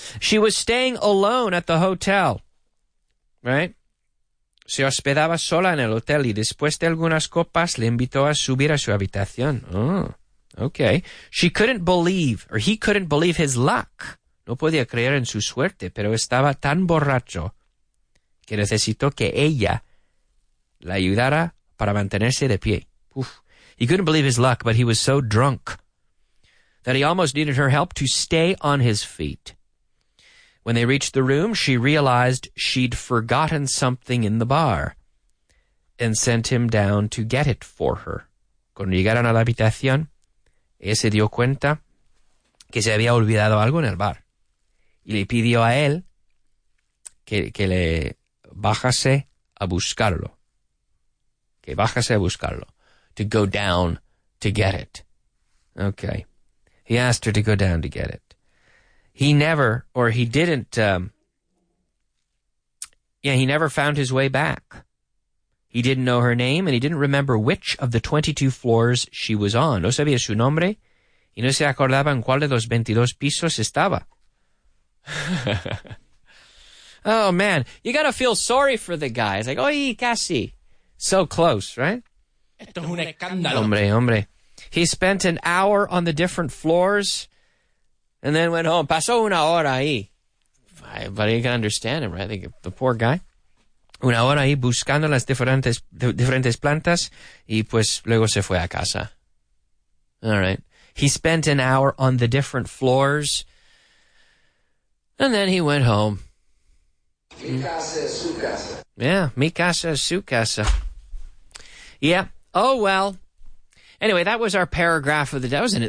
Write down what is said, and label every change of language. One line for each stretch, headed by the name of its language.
English: She was staying alone at the hotel, right?
Spanish: Se hospedaba sola en el hotel y después de algunas copas le invitó a subir a su habitación.
English: Oh, okay. She couldn't believe, or he couldn't believe his luck.
Spanish: No podía creer en su suerte, pero estaba tan borracho que necesitó que ella la ayudara para mantenerse de pie.
English: Uf. He couldn't believe his luck, but he was so drunk that he almost needed her help to stay on his feet. When they reached the room, she realized she'd forgotten something in the bar and sent him down to get it for her.
Spanish: Cuando llegaron a la habitación, ella se dio cuenta que se había olvidado algo en el bar y le pidió a él que le bajase a buscarlo. Que bajase a buscarlo.
English: To go down to get it. Okay. He asked her to go down to get it. He never found his way back. He didn't know her name, and he didn't remember which of the 22 floors she was on.
Spanish: No sabía su nombre, y no se acordaba en cuál de los 22 pisos estaba.
English: Oh, man. You got to feel sorry for the guy. It's like,
Spanish: oye, casi.
English: So close, right?
Spanish: Esto es un escándalo. Hombre.
English: He spent an hour on the different floors and then went home.
Spanish: Pasó una hora ahí.
English: But you can understand him, right? The poor guy.
Spanish: Una hora ahí buscando las diferentes plantas y pues luego se fue a casa.
English: All right. He spent an hour on the different floors and then he went home.
Spanish: Mi casa es su casa. Yeah, mi casa es su casa. Yeah.
English: Oh, well. Anyway, that was our paragraph of the day.